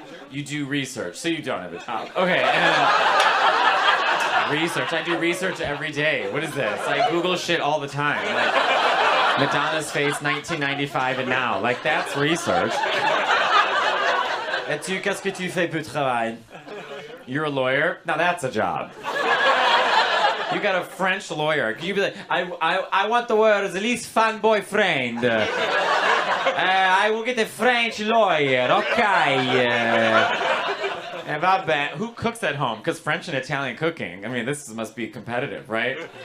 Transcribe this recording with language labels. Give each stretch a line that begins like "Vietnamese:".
English: You do research, so you don't have a job. Okay. Research. I do research every day. What is this? I Google shit all the time. Like, Madonna's face, 1995 and now. Like, that's research.
French: Et tu, qu'est-ce que tu fais pour travail?
English: You're a lawyer? Now that's a job. You got a French lawyer. Can you be like, I want the world's least fun boyfriend. I will get a French lawyer. Okay. And
Italian: va bene.
English: Who cooks at home? Because French and Italian cooking, I mean, this must be competitive, right?